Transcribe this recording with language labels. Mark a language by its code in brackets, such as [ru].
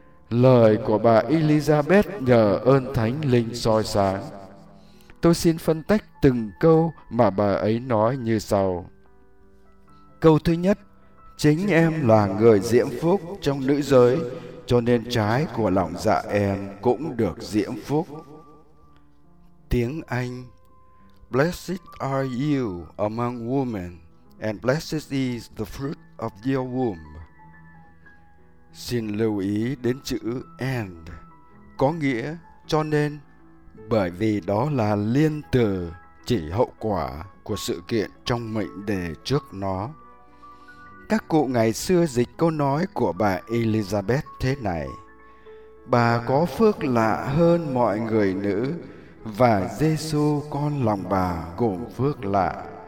[vi] Lời của bà Elizabeth nhờ ơn Thánh Linh soi sáng. Tôi xin phân tách từng câu mà bà ấy nói như sau. Câu thứ nhất. Chính em là người diễm phúc trong nữ giới, cho nên trái của lòng dạ em cũng được diễm phúc. Tiếng Anh: [en] Blessed are you among women, and blessed is the fruit of your womb. [vi] Xin lưu ý đến chữ and, có nghĩa cho nên, bởi vì đó là liên từ chỉ hậu quả của sự kiện trong mệnh đề trước nó. Các cụ ngày xưa dịch câu nói của bà Elizabeth thế này: Bà có phước lạ hơn mọi người nữ, và Giê-xu con lòng bà gồm phước lạ.